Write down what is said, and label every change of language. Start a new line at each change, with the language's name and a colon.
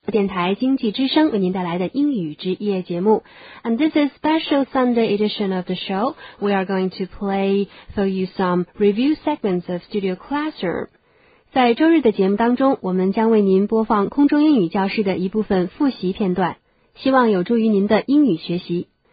Chinese: 电台经济之声为您带来的英语之夜节目。
English: And this is special Sunday edition of the show. We are going to play for you some review segments of Studio Classroom.
Chinese: 在周日的节目当中，我们将为您播放空中英语教室的一部分复习片段，希望有助于您的英语学习。